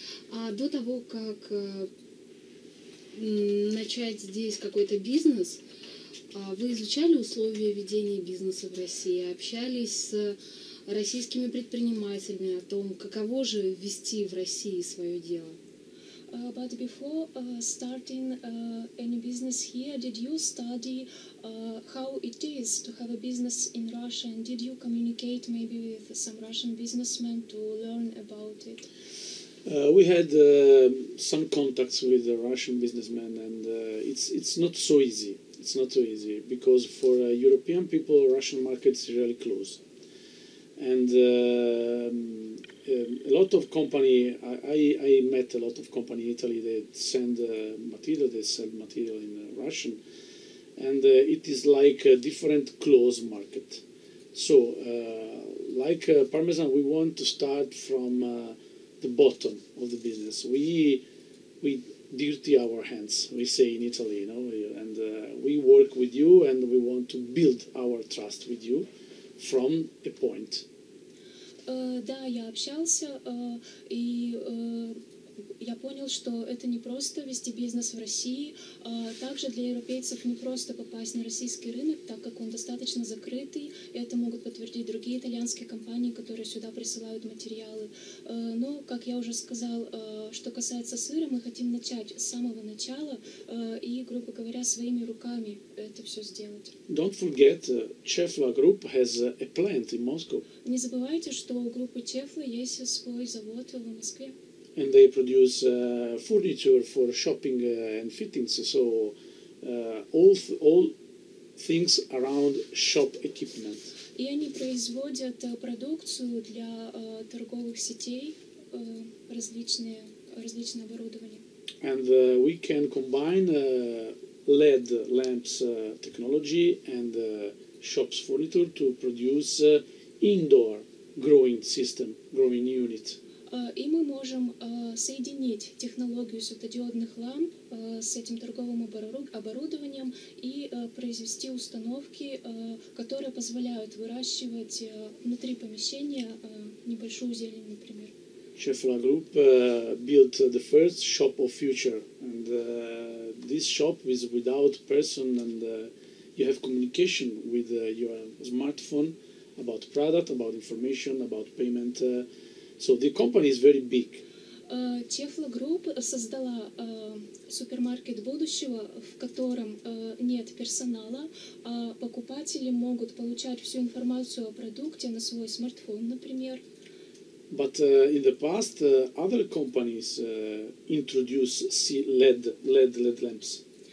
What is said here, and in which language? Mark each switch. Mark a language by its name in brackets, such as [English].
[Russian] А до того, как начать здесь какой-то бизнес, вы изучали условия ведения бизнеса в России, общались с российскими предпринимателями о том, каково же вести в России свое дело? [English] But before starting any business here, did you study how it is to have a business in Russia, and did you communicate maybe with some Russian businessmen to learn about it? We had some contacts with the Russian businessmen, and it's not so easy. It's not so easy because for European people, Russian market is really close, and a lot of company, I met a lot of company in Italy, they send material, they sell material in Russian, And it is like a different closed market. So, like Parmesan, we want to start from the bottom of the business. We dirty our hands, we say in Italy, you know, and we work with you and we want to build our trust with you from a point. [Russian] Да, я общался, и я понял, что это не просто вести бизнес в России, также для европейцев не просто попасть на российский рынок, так как он достаточно закрытый, и это могут подтвердить другие итальянские компании, которые сюда присылают материалы. Но, как я уже сказал, что касается сыра, мы хотим начать с самого начала и, грубо говоря, своими руками это все сделать. [English] Don't forget, Cefla Group has a plant in Moscow. [Russian] Не забывайте, что у группы Cefla есть свой завод в Москве. [English] And they produce furniture for shopping and fittings, so all things around shop equipment. [Russian] И они производят продукцию для торговых сетей, различное оборудование. [English] And we can combine LED lamps technology and shops furniture to produce indoor growing system, growing unit. [Russian] И мы можем соединить технологию светодиодных ламп с этим торговым оборудованием и произвести установки, которые позволяют выращивать внутри помещения небольшую зелень, например. [English] Cefla Group built the first shop of future, and this shop is without person, and you have communication with your smartphone about product, about information, about payment. So the company is very big. [Russian] Cefla Group создала супермаркет будущего, в котором нет персонала, а покупатели могут получать всю информацию о продукте на свой смартфон, например. [English] But in the past, other companies introduced LED lamps.